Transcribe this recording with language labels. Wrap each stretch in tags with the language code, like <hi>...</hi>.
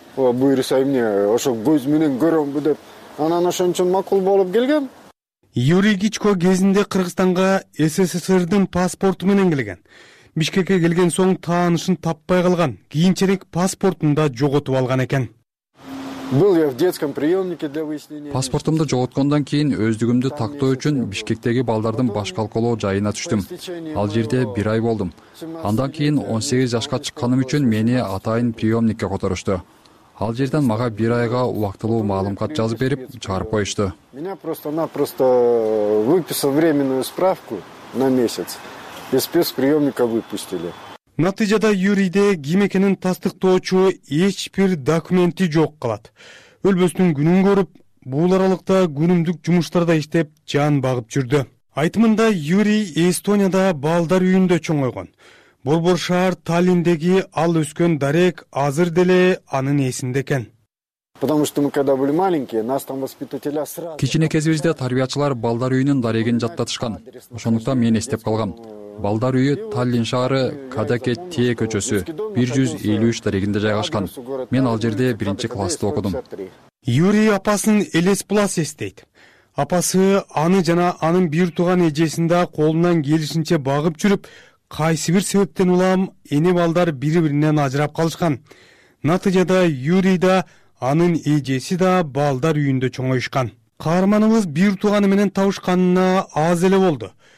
<ky>Буюрса эмне ошо көз менен көрөмбү деп анан ошон үчүн макул болуп келгем. Юрий Гичко кезинде Кыргызстанга СССРдин паспорту менен келген. Бишкекке келген соң таанышын таппай калган, кийинчерек паспортун да жоготуп алган экен.</ky> <ru>Был я в детском приемнике для выяснения.</ru> <ky>Паспортумду жоготкондон кийин өздүгүмдү тактоо үчүн Бишкектеги балдардын башкалколоо жайына түштүм. Ал жерде бир ай болдум. Андан кийин 18 жашка чыкканым үчүн мени атайын приемникке которушту. Ал жерден мага бир айга убактылуу маалымат жазып берип, чыгарып коюшту.</ky> <ru>Меня просто-напросто выписал временную справку на месяц. И спецприемника выпустили.</ru> <ky>Натыйжада Юрийде ким экенин тастыктоочу эч бир документи жок калат. Өлбөстүн күнүн көрүп, бул аралыкта күнүмдүк жумуштарда иштеп, жан багып жүрдү. Айтымында Юрий Эстонияда балдар үйүндө чоңойгон. Борбор шаар Таллиндеги ал өскөн дарек азыр деле анын эсинде экен.</ky> <ru>Потому что мы когда были маленькие, нас там воспитателя сразу.</ru> <ky>Кичине кезибизде тарбиячылар балдар үйүнүн дарегин жаттатышкан. Ошондуктан мен эстеп калгам. Балдар үйү Таллин шаары Кадаке Тие көчөсү 153 дарегинде жайгашкан. Мен ал жерде биринчи классты окудум. Юрий апасын Элес Плас эстейт. Апасы аны жана анын бир тууган эжесин да колунан келишинче багып жүрүп, кайсы бир себептен улам эне балдар бири-биринен ажырап калышкан. Натыйжада Юрий да анын эжеси да балдар үйүндө чоңойушкан. Каарманыбыз бир тууганы менен табышканына аз эле болду.</ky>